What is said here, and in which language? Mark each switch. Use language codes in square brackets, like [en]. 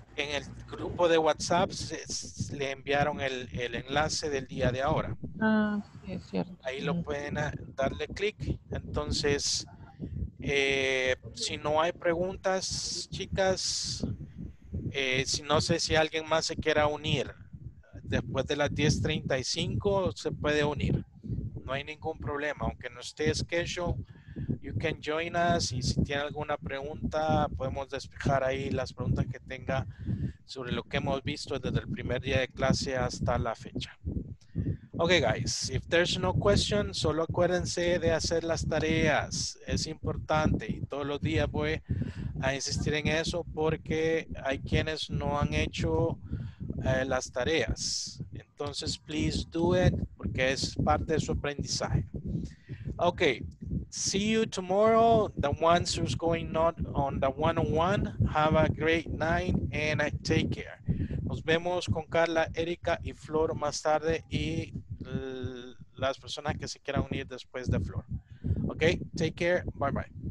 [es] En el grupo de WhatsApp le enviaron el enlace del día de ahora. Ah, sí, es cierto. Ahí lo pueden darle clic. Entonces, si no hay preguntas, chicas, si no sé si alguien más se quiera unir. Después de las 10:35 se puede unir. No hay ningún problema. Aunque no esté [en] scheduled, you can join us. [es] Y si tiene alguna pregunta, podemos despejar ahí las preguntas que tenga sobre lo que hemos visto desde el primer día de clase hasta la fecha. [en] Okay, guys, if there's no question, [es] solo acuérdense de hacer las tareas. Es importante y todos los días voy a insistir en eso porque hay quienes no han hecho las tareas. Entonces, [en] please do it [es] porque es parte de su aprendizaje. [en] Okay, see you tomorrow. The ones who's going not on the one-on-one, have a great night and take care. [es] Nos vemos con Carla, Erika y Flor más tarde y las personas que se quieran unir después de Flor. [en] Okay, take care. Bye bye.